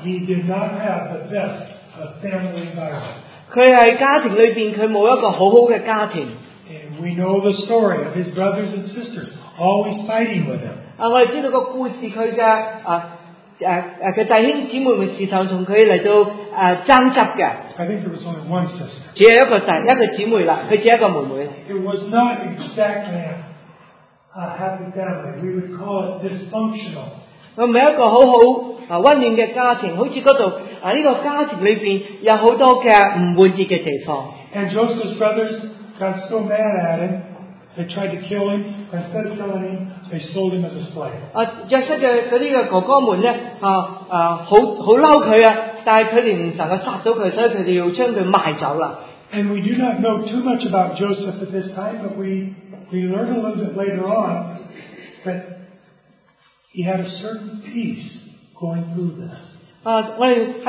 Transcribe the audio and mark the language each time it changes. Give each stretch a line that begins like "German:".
English: He did not have the best of family environment.
Cantonese: 佢系家庭里边，佢冇一个好好嘅家庭。
English: And we know the story of his brothers and sisters always fighting with him.
Cantonese: 啊，我哋知道个故事，佢嘅啊。佢弟兄姊妹们时常同佢嚟到争执嘅。
English: I think there was only one sister.
Cantonese: 只系一个弟一个姊妹啦，佢只系一个妹妹。
English: It was not exactly a happy family. We would call it dysfunctional.
Cantonese: 唔係一個好好温暖嘅家庭，好似嗰度啊呢個家庭裏邊有好多嘅唔滿意嘅地方。
English: And Joseph's brothers got so mad at him, they tried to kill him. Instead of killing him, they sold him as a slave.
Cantonese: 約瑟嘅嗰啲嘅哥哥們咧，好嬲佢啊，但係佢哋唔能夠殺到佢，所以佢哋要將佢賣走啦。
English: And we do not know too much about Joseph at this time, but we learn a little bit later on that he had a certain peace going through this.